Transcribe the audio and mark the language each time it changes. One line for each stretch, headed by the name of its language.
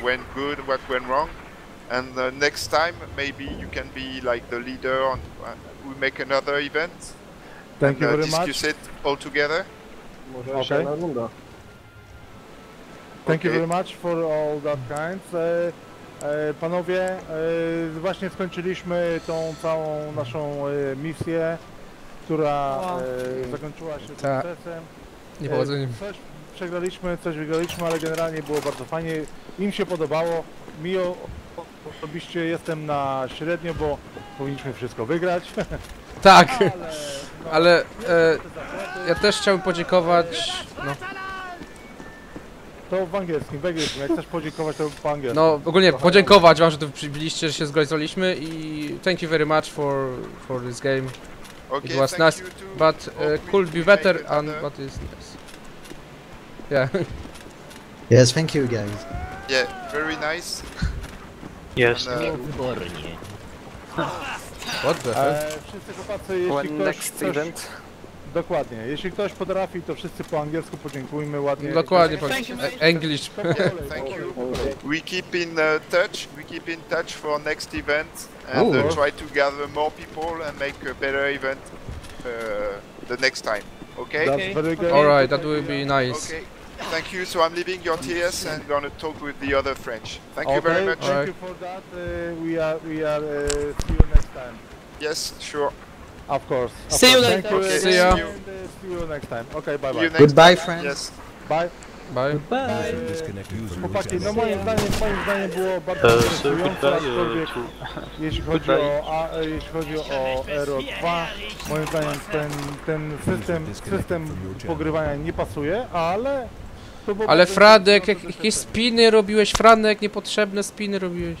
English: Went good, what went wrong. And next time maybe you can be like the leader on. We make another event. Thank you very discuss much. Discuss it all together. Okay. Thank you very much for all that kind.
Polish: Panowie, właśnie skończyliśmy tą całą naszą misję, która zakończyła się sukcesem. Niepowodzeniem. Coś przegraliśmy, coś wygraliśmy, ale generalnie było bardzo fajnie. Im się podobało. Mi osobiście jestem na średnio, bo powinniśmy wszystko wygrać. Tak, ale ja też chciałbym podziękować. No. To w angielskim, jak chcesz podziękować, to po angielsku. No, ogólnie podziękować wam, że tu przybyliście, że się zgodziliśmy i
English: thank you very much for this game. Okay, it was thank nice, you too. But could be better, and what is nice. Yeah. Yes, thank you guys. Yeah, very nice. Yes, what the hell?
Polish: Wszyscy chłopacy, jeśli ktoś,
English: next
Polish: ktoś,
English: event.
Polish: Dokładnie, jeśli ktoś potrafi, to wszyscy po angielsku podziękujmy ładnie. Dokładnie,
English: thank you, English. Yeah, thank you. We keep in touch. We keep in touch for next event and try to gather more people and make a better event the next time. Okay? That's very good. All right, that will be nice. Okay. Thank you. So I'm leaving your TS and gonna talk with the other French. Thank you very much. Thank you for that. We are see you next time. Yes, sure. Of course. See you later. Thank you. See you next time. Okay, bye. Goodbye, friends. Yes. Bye. Bye. Bye.
Polish: Chłopaki, no moim zdaniem było bardzo interesujące, aczkolwiek jeśli chodzi o Aero 2, moim zdaniem ten system pogrywania nie pasuje, ale... Ale Franek, jakieś spiny robiłeś, Franek, niepotrzebne spiny robiłeś.